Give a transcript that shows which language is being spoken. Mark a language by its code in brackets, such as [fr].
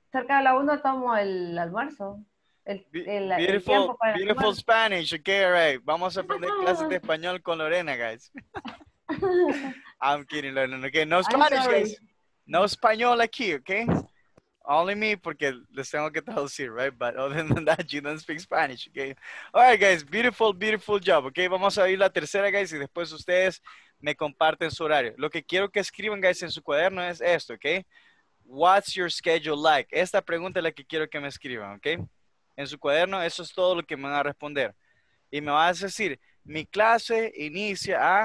[es] Cerca de la 1 tomo el almuerzo. [en] Beautiful Spanish. Okay, all right. [es] Vamos a aprender clases de español con Lorena, guys. [en] I'm kidding, Lorena. Okay, no Spanish, guys. [es] No español aquí, [en] okay? Only me, [es] porque les tengo que traducir, right? [en] But other than that, you don't speak Spanish, okay? All right, guys. Beautiful job, okay? [es] Vamos a ir la tercera, guys, y después ustedes me comparten su horario. Lo que quiero que escriban, guys, en su cuaderno es esto, okay? [en] What's your schedule like? [es] Esta pregunta es la que quiero que me escriban, ¿ok? En su cuaderno, eso es todo lo que me van a responder. Y me vas a decir, mi clase inicia a...